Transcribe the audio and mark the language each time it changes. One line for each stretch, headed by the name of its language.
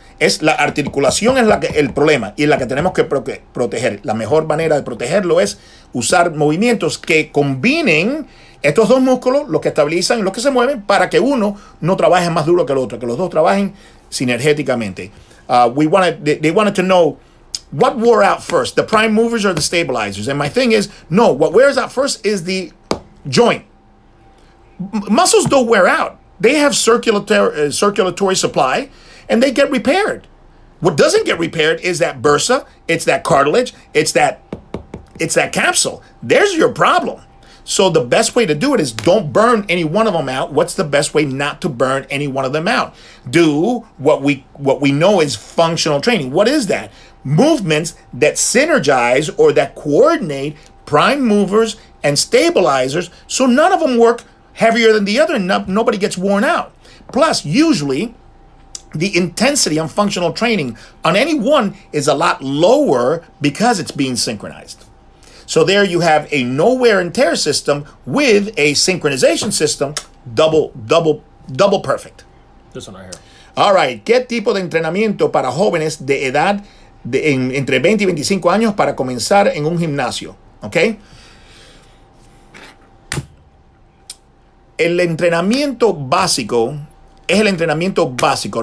Spanish: Es la articulación es el problema y la que tenemos que proteger. La mejor manera de protegerlo es usar movimientos que combinen estos dos músculos, los que estabilizan y los que se mueven, para que uno no trabaje más duro que el otro, que los dos trabajen sinergéticamente.
English: They wanted to know what wore out first, the prime movers or the stabilizers. And my thing is, no, what wears out first is the joint. Muscles don't wear out. They have circulatory supply, and they get repaired. What doesn't get repaired is that bursa, it's that cartilage, it's that capsule. There's your problem. So the best way to do it is don't burn any one of them out. What's the best way not to burn any one of them out? Do what we know is functional training. What is that? Movements that synergize or that coordinate prime movers and stabilizers so none of them work heavier than the other and nobody gets worn out. Plus, usually, the intensity on functional training on any one is a lot lower because it's being synchronized. So there you have a no wear and tear system with a synchronization system, double perfect. This one right here. All right.
Spanish: ¿Qué tipo de entrenamiento para jóvenes de edad entre 20 y 25 años para comenzar en un gimnasio? Okay. El entrenamiento básico es el entrenamiento básico.